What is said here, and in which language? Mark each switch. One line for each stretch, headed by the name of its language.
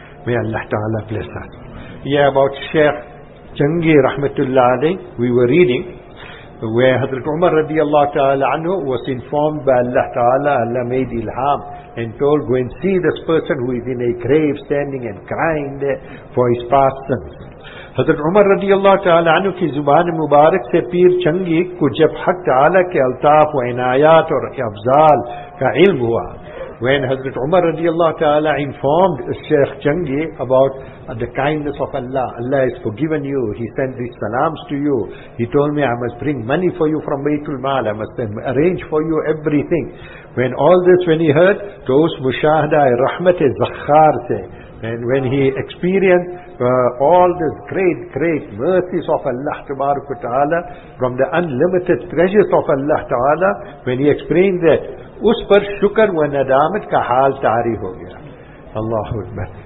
English: May Allah Ta'ala bless us. Yeah, about Shaykh Changi Rahmatullah Ali, we were reading where Hazrat Umar radiallahu ta'ala anhu was informed by Allah Ta'ala, Allah made ilham and told, go and see this person who is in a grave standing and crying there for his past sins.
Urdu: حضرت عمر رضی اللہ تعالی عنہ کی زبان مبارک سے پیر چنگی کو جب حق تعالی کے الطاف و عنایات اور افضال کا علم ہوا.
English: When حضرت عمر رضی اللہ تعالی informed شیخ چنگی about the kindness of Allah, Allah has forgiven you, he sent his salams to you, he told me I must bring money for you from Baytul Mal, I must arrange for you everything. When all this, when he heard,
Urdu: تو اس مشاہدہ رحمت زخار سے,
English: and when he experienced all this great mercies of Allah Tabaraka wa Ta'ala from the unlimited treasures of Allah Ta'ala, when he explained that,
Urdu: us par shukar wa nadamat ka hal tari ho gaya.
English: Allahu Akbar.